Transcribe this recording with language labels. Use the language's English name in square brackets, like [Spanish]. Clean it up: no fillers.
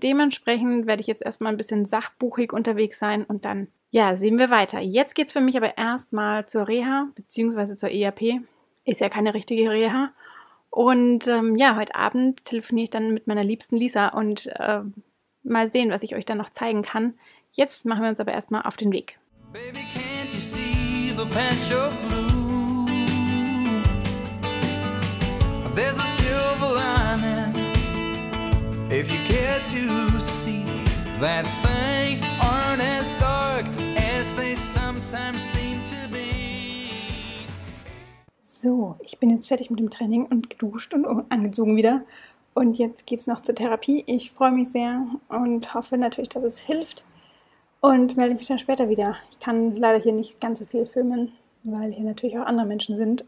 [German] Dementsprechend werde ich jetzt erstmal ein bisschen sachbuchig unterwegs sein und dann, ja, sehen wir weiter. Jetzt geht es für mich aber erstmal zur Reha, beziehungsweise zur EAP. Ist ja keine richtige Reha. Und heute Abend telefoniere ich dann mit meiner liebsten Lisa und mal sehen, was ich euch dann noch zeigen kann. Jetzt machen wir uns aber erstmal auf den Weg. [English] Baby, can't you see the patch of blue? There's a silver lining. If you care to see that things aren't as dark as they sometimes seem to be. [German] So, ich bin jetzt fertig mit dem Training und geduscht und angezogen wieder. Und jetzt geht's noch zur Therapie. Ich freue mich sehr und hoffe natürlich, dass es hilft. Und melde mich dann später wieder. Ich kann leider hier nicht ganz so viel filmen, weil hier natürlich auch andere Menschen sind.